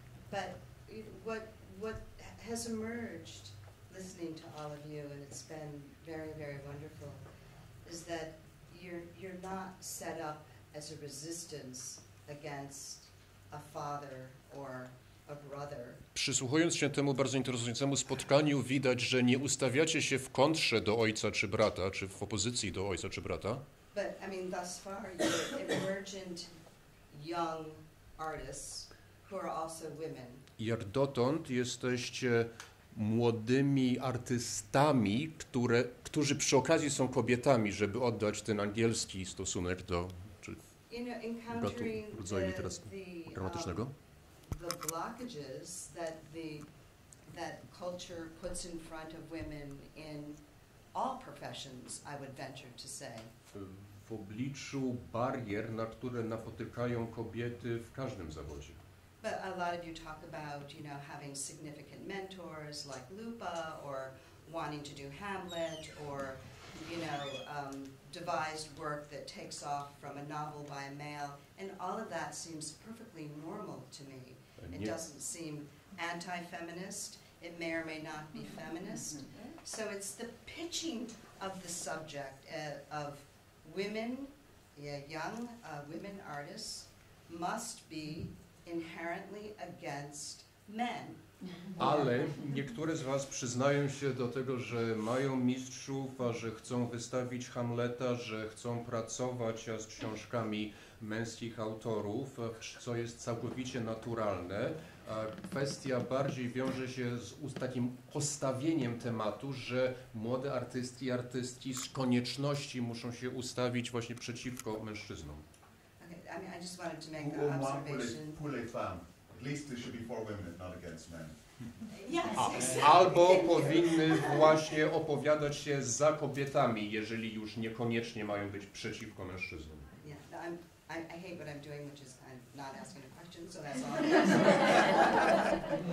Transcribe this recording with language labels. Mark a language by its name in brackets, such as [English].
[English] But what has emerged listening to all of you, and it's been very, very wonderful, is that you're not set up as a resistance against a father or a brother. [Polish] Przysłuchując się temu bardzo interesującemu spotkaniu, widać, że nie ustawiacie się w kontrze do ojca czy brata, czy w opozycji do ojca czy brata. [English] But I mean, thus far, you're emergent young artists who are also women. [Polish] Jak dotąd jesteście młodymi artystami, którzy przy okazji są kobietami, żeby oddać ten angielski stosunek do bratu, rodzaju dramatycznego? [English] The blockages that culture puts in front of women in all professions, I would venture to say. [Polish] W obliczu barier, na które napotykają kobiety w każdym zawodzie. [English] But a lot of you talk about, you know, having significant mentors like Lupa, or wanting to do Hamlet, or, you know, devised work that takes off from a novel by a male, and all of that seems perfectly normal to me. It doesn't seem anti-feminist, it may or may not be feminist. So it's the pitching of the subject of women, young women artists must be inherently against men. [Polish] Ale niektóre z was przyznają się do tego, że mają mistrzów, a że chcą wystawić Hamleta, że chcą pracować z książkami męskich autorów, co jest całkowicie naturalne. A kwestia bardziej wiąże się z takim postawieniem tematu, że młode artystki i artystki z konieczności muszą się ustawić właśnie przeciwko mężczyznom. [English] I mean, I just wanted to make an observation. [French] Pour les femmes. [English] At least it should be for women, not against men. Yes, exactly. [Polish] Albo powinny właśnie opowiadać się za kobietami, jeżeli już niekoniecznie mają być przeciwko mężczyznom. [English] I hate what I'm doing, which is I'm not asking a question, so that's all I'm asking.